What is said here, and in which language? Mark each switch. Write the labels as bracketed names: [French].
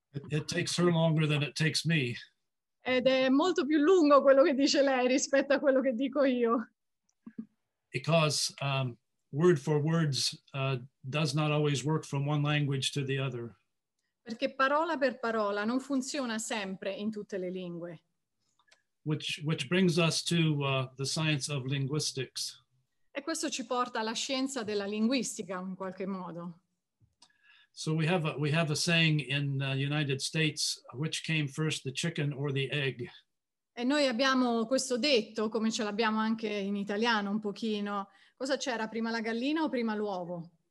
[English] It takes her longer than it takes me. [Italian] Ed è molto più lungo quello che dice lei rispetto a quello che dico io. [English] Because word for words does not always work from one language to the other. [Italian] Perché parola per parola non funziona sempre in tutte le lingue. [English] Which brings us to the science of linguistics. [Italian] E questo ci porta alla scienza della linguistica in qualche modo. [English] So we have a saying in the United States, which came first, the chicken or the egg? [Italian] E noi abbiamo questo detto, come ce l'abbiamo anche in italiano un pochino. Cosa c'era, prima la gallina o prima l'uovo?